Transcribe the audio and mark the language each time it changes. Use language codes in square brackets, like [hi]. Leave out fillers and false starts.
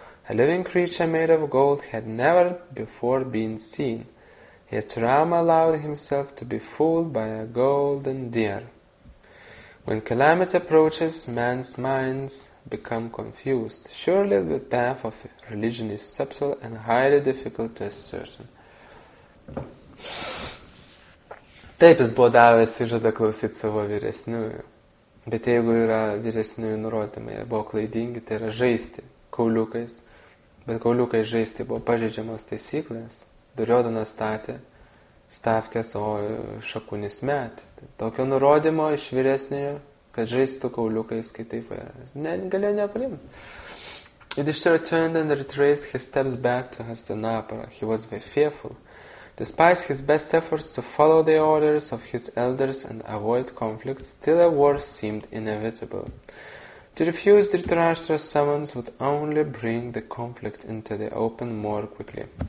[en] A living creature made of gold had never before been seen, yet Rama allowed himself to be fooled by a golden deer. When calamity approaches, man's minds become confused. Surely the path of religion is subtle and highly difficult to ascertain. [lt] Taip, jis buvo davęs įžada klausyti savo vyresniųjų. Bet jeigu yra vyresniųjų nurodymai, buvo klaidingi, tai yra žaisti kauliukais. Bet kauliukais žaisti buvo pažeidžiamos taisyklės. Duriodana statė stavkės, o šakunis met. Tokio nurodymo iš vyresniojo, kad žaistų kauliukais, kai taip yra. Galėjo nepriimti. [en] Yudhishthira turned and retraced his steps back to Hastinapura. He was very fearful. Despite his best efforts to follow the orders of his elders and avoid conflict, still a war seemed inevitable. To refuse Dhritarashtra's summons would only bring the conflict into the open more quickly.